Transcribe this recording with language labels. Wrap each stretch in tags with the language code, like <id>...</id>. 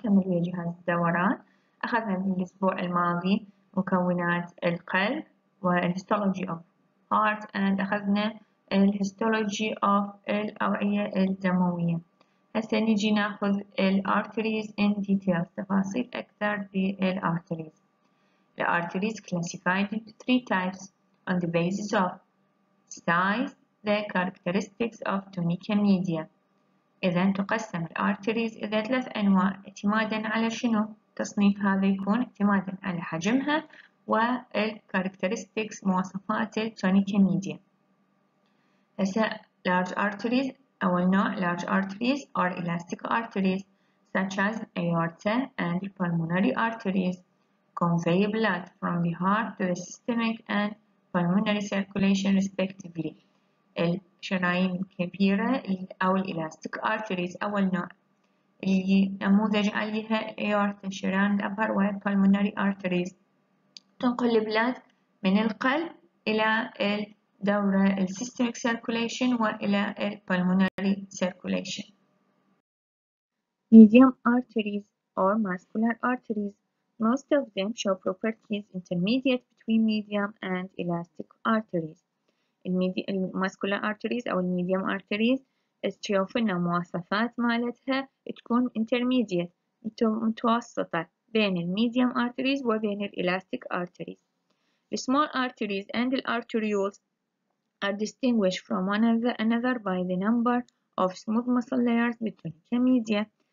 <ar>تمرير جهاز الدوران أخذنا في الأسبوع الماضي مكونات القلب والهيستولوجي</ar> <en>of heart and</en> <ar>أخذنا الهيستولوجي of الأوعية الدموية. هسا نجي ناخذ الأرتريز</ar> <en>in detail،</en> <ar>تفاصيل أكثر في الأرتريز.</ar> <en>The arteries classified into three types on the basis of size, the characteristics of tonica media.</en> <ar>إذا تقسم الأرتريز إلى ثلاث أنواع اعتمادا على شنو؟ تصنيف هذا يكون اعتمادا على حجمها والكاركترستكس مواصفات التونيكا ميديا.</ar> <en>هسا large arteries،</en> <ar>أول نوع</ar> <en>large arteries are elastic arteries such as aorta and pulmonary arteries convey blood from the heart to the systemic and pulmonary circulation respectively.</en> <ar>الشرايين الكبيرة أو الإلاستيك أرتريز أول نوع اللي نموذج عليها الأيورتا الشرايين الأبهر والبالموناري أرتريز تنقل البلاد من القلب إلى الدورة السيستميك سيركوليشن وإلى البالموناري سيركوليشن.</ar> <en>Medium arteries أو muscular arteries most of them show properties intermediate between medium and elastic arteries.</en> <ar>الماسكولار ارتريز او الميديوم ارتريز تشوف ان مواصفات مالتها تكون انترميديت متوسطه بين الميديوم ارتريز وبين الالاستيك ارتريز.</ar> <en>السمول arteries and الارتريولز are distinguish from one another by the number of smooth muscle layers between the media.</en>